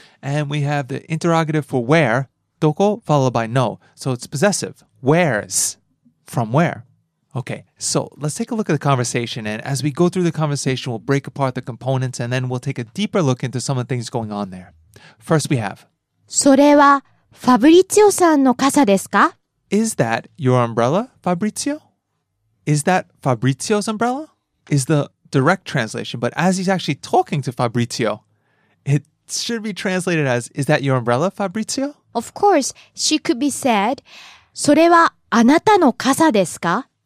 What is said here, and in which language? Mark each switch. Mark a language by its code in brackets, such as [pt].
[en] And we have the interrogative for where? どこ followed by no. So it's possessive. Where's? From where? Okay, so let's take a look at the conversation, and as we go through the conversation, we'll break apart the components, and then we'll take a deeper look into some of the things going on there. First, we have... [ja] それはファブリツィオさんの傘ですか? [en] Is that your umbrella, Fabrizio? Is that Fabrizio's umbrella? Is the direct translation, but as he's actually talking to Fabrizio, it should be translated as, is that your umbrella, Fabrizio? Of course, she could be said, [ja] それはあなたの傘ですか?